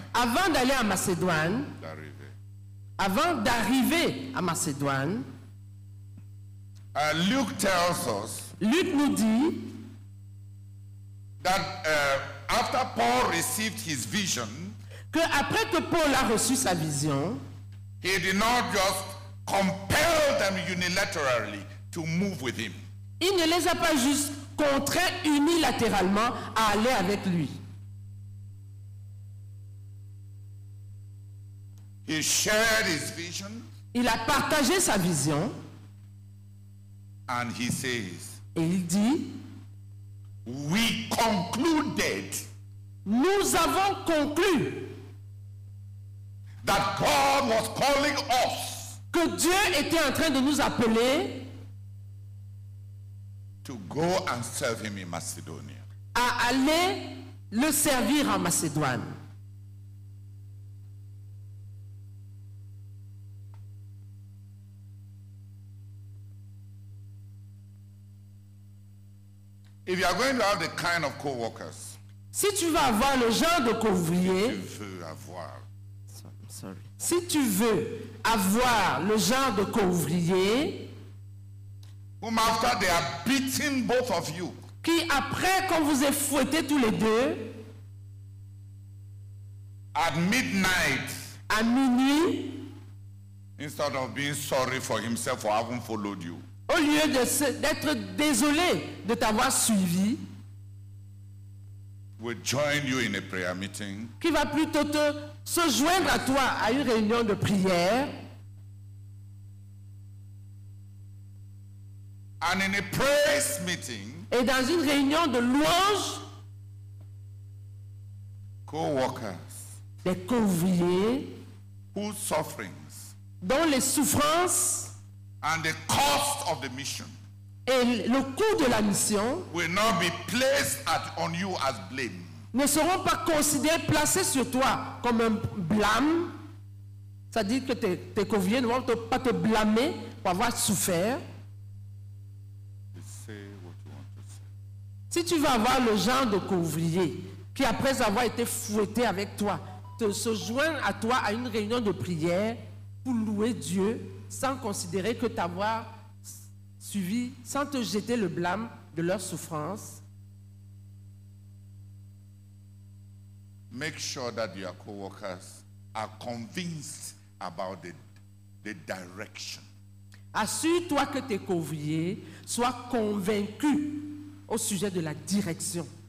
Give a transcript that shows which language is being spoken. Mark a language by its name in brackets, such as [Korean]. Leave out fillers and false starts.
[French] avant d'aller en Macédoine, avant d'arriver à Macédoine, [English] Luke tells us, [French] Luke nous dit, [English] that after Paul received his vision, [French] que après que Paul a reçu sa vision, [English] he did not just compel them unilaterally to move with him. [French] Il ne les a pas juste contraints unilatéralement à aller avec lui. [English] He shared his vision. [French] Il a partagé sa vision. [English] And he says, [French] et il dit, [English] we concluded. [French] Nous avons conclu. [English] That God was calling us. [French] Que Dieu était en train de nous appeler. [English] To go and serve him in Macedonia. [French] À aller le servir en Macédoine. [English] If you are going to have the kind of co-workers. [French] Si tu vas avoir le genre de co-ouvrier. Tu veux avoir. [English] Sorry. [French] Si tu veux avoir le genre de co-ouvrier [English] whom after they are beating both of you, [French] qui après qu'on vous ait fouetté tous les deux [English] at midnight, [French] à minuit, [English] instead of being sorry for himself for having followed you, [French] au lieu d'être désolé de t'avoir suivi, [English] will join you in a prayer meeting, [French] qui va plutôt te se joindre à toi à une réunion de prière. [English] And in a praise meeting, [French] et dans une réunion de louange, [English] co-workers, [French] des co-ouvriers, [English] whose sufferings, [French] dont les souffrances, [English] and the cost of the mission, [French] et le coût de la mission, [English] will not be placed on you as blame. [French] Ne seront pas considérés, placés sur toi comme un blâme. Ça dit que tes co-ouvriers ne vont pas te blâmer pour avoir souffert. Si tu vas avoir le genre de co-ouvrier qui, après avoir été fouetté avec toi, se joint à toi à une réunion de prière pour louer Dieu sans considérer que t'avoir suivi, sans te jeter le blâme de leur souffrance, [English] make sure that your co-workers are convinced about the direction. [French] Assure-toi que tes co-ouvriers soient convaincus au sujet de la direction.